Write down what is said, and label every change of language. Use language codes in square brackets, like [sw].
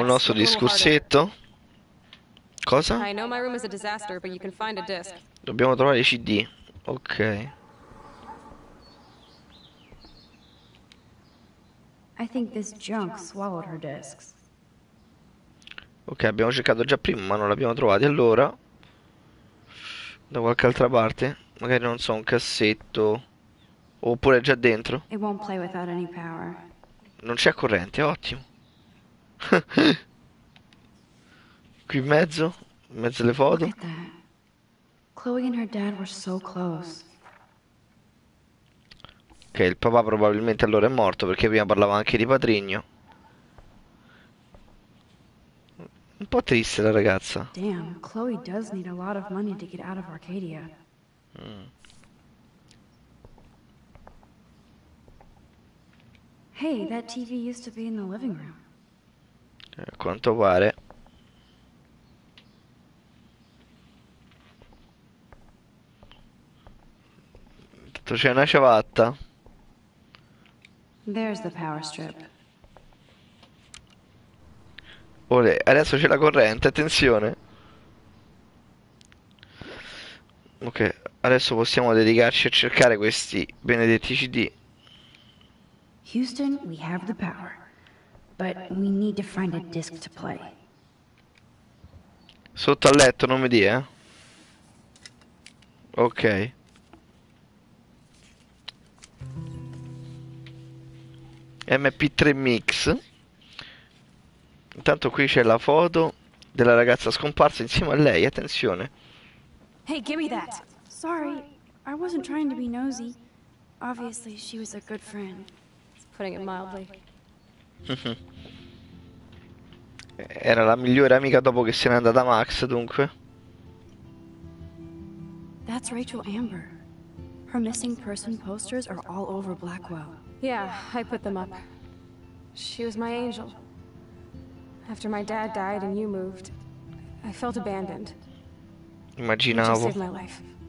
[it] il nostro discorsetto. Cosa? [en] I know my room is a disaster, but you can find a disc. [it] Dobbiamo trovare i CD. Ok. [en] I think this junk swallowed her discs. [it] Ok, abbiamo cercato già prima, ma non l'abbiamo trovato. Allora, da qualche altra parte, magari non so, un cassetto oppure già dentro. [en] It won't play without any power. [it] Non c'è corrente, ottimo. Qui in mezzo alle foto. [en] Look at that. Chloe and her dad were so close. [it] Ok, il papà probabilmente allora è morto, perché prima parlava anche di patrigno. Un po' triste la ragazza. [en] Damn, Chloe does need a lot of money to get out of Arcadia. Hey, that TV used to be in the living room. [it] A quanto pare. Tutto c'è una ciabatta. [en] There's the power strip. [it] Olè, adesso c'è la corrente, attenzione. Ok, adesso possiamo dedicarci a cercare questi benedetti CD. [en] Houston, we have the power. But we need to find a disc to play. [it] Sotto al letto, non mi dia. Ok. MP3 Mix. Intanto qui c'è la foto della ragazza scomparsa insieme a lei, attenzione. [en] Hey, give me that. Sorry, I wasn't trying to be nosy. Obviously, she was a good friend. Putting it mildly. [it] Era la migliore amica dopo che se n'è andata Max, dunque. [en] That's Rachel Amber. Her missing person posters are all over Blackwell. Yeah, I put them up. She was my angel. After my dad died and you moved, I felt abandoned. [it] Immaginavo. [en] You just saved my life.